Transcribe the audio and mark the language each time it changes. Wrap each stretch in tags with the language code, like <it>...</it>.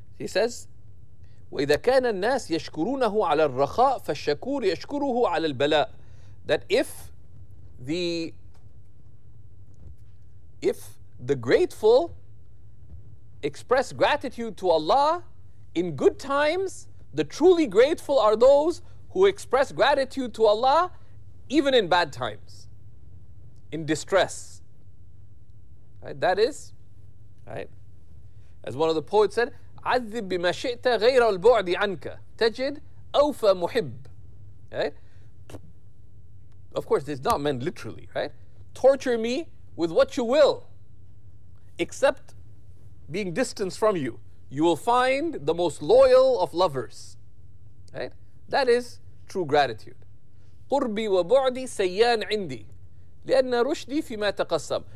<en>He says,</en> <ar>"وَإِذَا كَانَ النَّاسُ يَشْكُرُونَهُ عَلَى الرَّخَاءِ فَالشَّكُورُ يَشْكُرُهُ عَلَى الْبَلَاءِ."</ar> <en>That if the grateful express gratitude to Allah in good times, the truly grateful are those who express gratitude to Allah even in bad times, in distress. Right? That is, right? As one of the poets said,</en> <ar>عَذِّبْ بِمَا شِئْتَ غَيْرَ الْبُعْدِ عَنْكَ تَجِدْ أَوْفَ مُحِبّ.</ar> <en>Right? Of course, this is not meant literally, right? Torture me with what you will, except being distanced from you. You will find the most loyal of lovers. Right? That is true gratitude.</en> <ar>قُرْبِي وَبُعْدِي سَيَّانْ عِنْدِي لِأَنَّ رُشْدِي فِيمَا تَقَسَّمْ.</ar>